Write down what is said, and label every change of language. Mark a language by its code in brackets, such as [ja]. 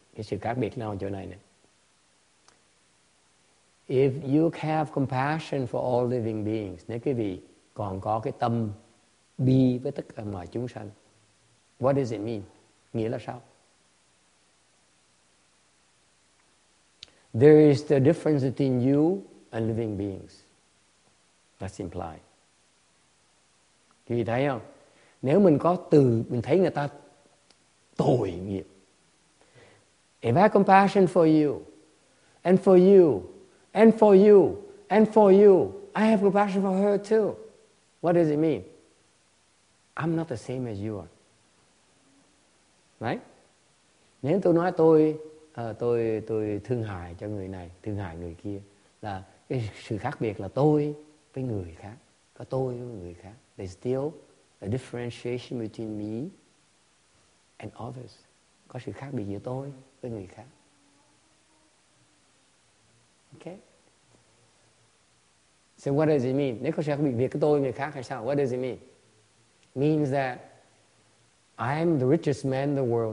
[en] If you have compassion for all living beings, [vi] nếu quý vị còn có cái tâm bi với tất cả mọi chúng sanh, [en] what does it mean? [vi] Nghĩa là sao? [en] There is the difference between you and living beings. That's implied. [vi] Quý vị thấy không? Nếu mình có từ, mình thấy người ta tội nghiệp. [en] If I have compassion for you, and for you, and for you, and for you, I have compassion for her too. What does it mean? I'm not the same as you are. Right? [vi] Nếu tôi nói tôi thương hại cho người này, thương hại người kia, là cái sự khác biệt là tôi với người khác, và tôi với người khác. [en] There's still a differentiation between me and others. [vi] Có sự khác biệt giữa tôi với người khác. [en] Okay? So what does it mean? [vi] Nếu có sự khác biệt giữa tôi với người khác hay sao? [en] What does it mean? Means that I'm the richest man in the world.